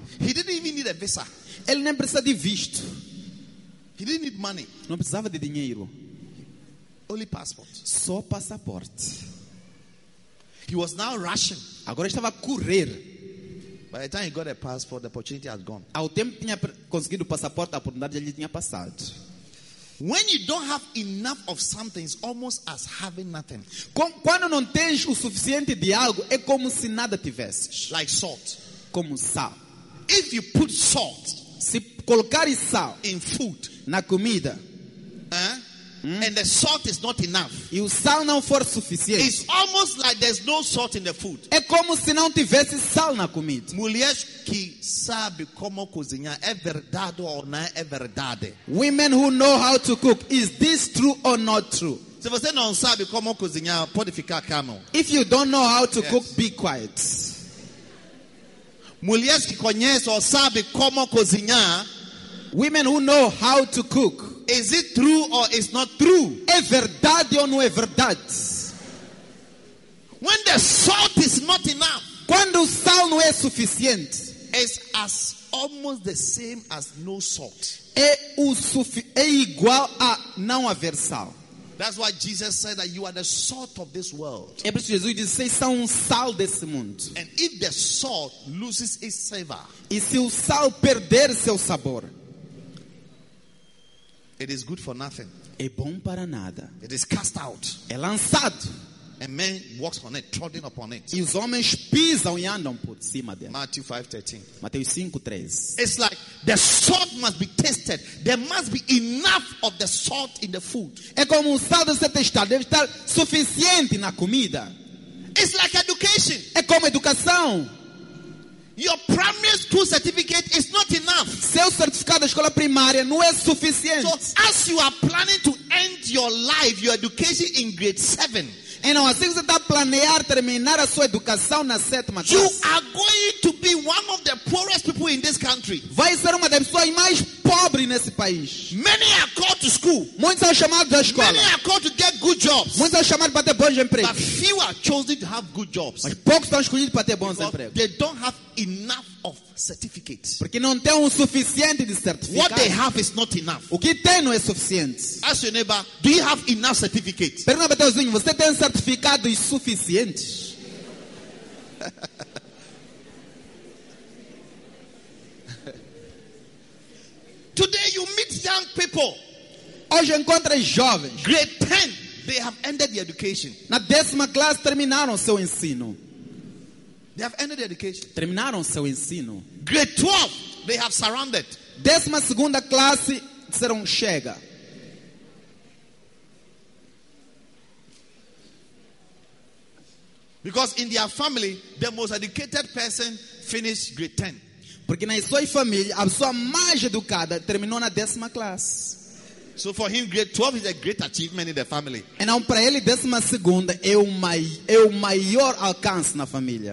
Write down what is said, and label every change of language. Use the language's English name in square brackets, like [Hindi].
[English] He didn't even need a visa. [Portuguese] Ele nem precisa de visto. [English] He didn't need money. [Portuguese] Não precisava de dinheiro. [English] Only passport. [Portuguese] Só passaporte. [English] He was now rushing. [Portuguese] Agora estava a correr. [English] By the time he got a passport, the opportunity had gone. [Portuguese] Ao tempo que tinha conseguido o passaporte, a oportunidade já lhe tinha passado. [English] When you don't have enough of something, it's almost as having nothing. [Portuguese] Quando não tens o suficiente de algo, é como se nada tivesse. [English] Like salt. [Portuguese] Como sal. [English] If you put salt, [Portuguese] se colocares sal [English] in food, [Portuguese] na comida, [English] and the salt is not enough, [Portuguese] e o sal não for suficiente, [English] it's almost like there's no salt in the food. [Portuguese] É como se não tivesse sal na comida. Mulheres que sabem como cozinhar, é verdade ou não é verdade? [English] Women who know how to cook, is this true or not true? [Portuguese] Se você não sabe como cozinhar, pode ficar calmo. [English] If you don't know how to cook, be quiet. [Portuguese] Mulheres que conhecem ou sabem como cozinhar, [English] women who know how to cook, is it true or is not true? [Portuguese] É verdade ou não é verdade? [English] When the salt is not enough, [Portuguese] quando o sal não é suficiente, [English] it's as almost the same as no salt. [Portuguese] É igual a não haver sal. [English] That's why Jesus said that you are the salt of this world. [Portuguese] É por isso que Jesus disse que são sal desse mundo. [English] And if the salt loses its savor, [Portuguese] e se o sal perder seu sabor, [English] it is good for nothing. [Portuguese] É bom para nada. [English] It is cast out. [Portuguese] É lançado. [English] And man walks on it, trodden upon it. [Portuguese] E os homens pisam e andam por cima dele. [English] Matthew 5:13. [Portuguese] Mateus 5:13. [English] It's like the salt must be tested. There must be enough of the salt in the food. [Portuguese] É como o sal deve ser testado. Deve estar suficiente na comida. [English] It's like education. [Portuguese] É como educação. [English] Your primary school certificate is not enough. [Portuguese] Seu certificado de escola primária não é suficiente. [English] So as you are planning to end your life, your education in grade 7. [Portuguese] E não, assim você está a planear terminar a sua educação na sétima classe. [English] You are going to be one of the poorest people in this country. [Portuguese] Vai ser uma das pessoas mais pobres nesse país. [English] Many are called to school. [Portuguese] Muitos são chamados à escola. [English] Many are called to get good jobs. [Portuguese] Muitos são chamados para ter bons empregos. [English] But few are chosen to have good jobs. [Portuguese] Mas poucos estão escolhidos para ter bons empregos. [English] They don't have enough of certificates. [Portuguese] Porque não tem o suficiente de certificados. [English] What they have is not enough. [Portuguese] O que tem não é suficiente. [English] Ask your neighbor, do you have enough certificates? [Portuguese] Pergunta para o teu vizinho, você tem certificado suficiente? [English] Today you meet young people. [Portuguese] Hoje encontra jovens. [English] Grade 10, they have ended the education. [Portuguese] Na décima classe terminaram seu ensino. [English] They have ended their education. [Portuguese] Terminaram seu ensino. [English] Grade 12, they have surrounded. [Portuguese] Décima segunda classe, disseram, chega. [English] Because in their family, the most educated person finished grade 10. [Portuguese] Porque na sua família, a pessoa mais educada terminou na décima classe. [English] So for him, grade 12 is a great achievement in the family. [Portuguese] Então para ele, décima segunda é o maior alcance na família.